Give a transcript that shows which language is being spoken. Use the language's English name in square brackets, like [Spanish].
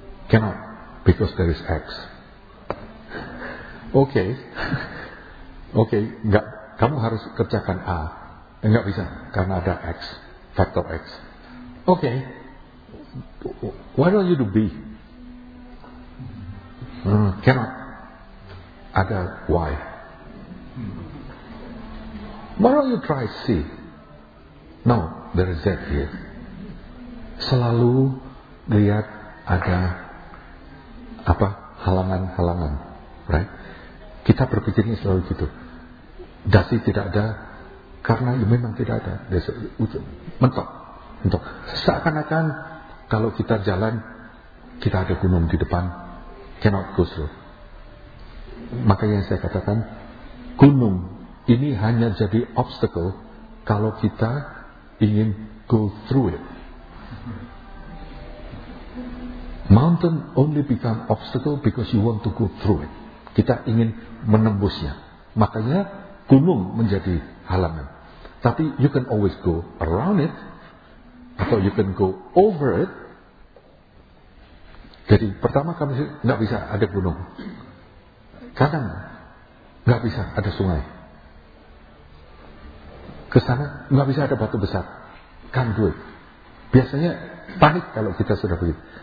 [English] Cannot, because there is X. Okay. [Indonesian] Okay, enggak, kamu harus kerjakan A. Enggak bisa, karena ada X, faktor X. [English] Okay. Why don't you do B? Cannot. [Indonesian] Ada Y. [English] Why don't you try C? No, there is Z here. [Indonesian] Selalu lihat ada apa halangan-halangan, [English] right? [Indonesian] Kita berpikirnya selalu gitu. Dasi tidak ada karena memang tidak ada. Mentok, mentok. Seakan-akan kalau kita jalan, kita ada gunung di depan, [English] cannot go through. [Indonesian] Makanya yang saya katakan, gunung ini hanya jadi obstacle kalau kita ingin [English] go through it. Mountain only become obstacle because you want to go through it. [Indonesian] Kita ingin menembusnya. Makanya gunung menjadi halangan. [English] Tapi you can always go around it, atau you can go over it. [Indonesian] Jadi pertama kami tidak bisa ada gunung. Kadang tidak bisa ada sungai. Kesana tidak bisa ada batu besar. [English] Can't do it. [Indonesian] Biasanya panik kalau kita sudah begitu.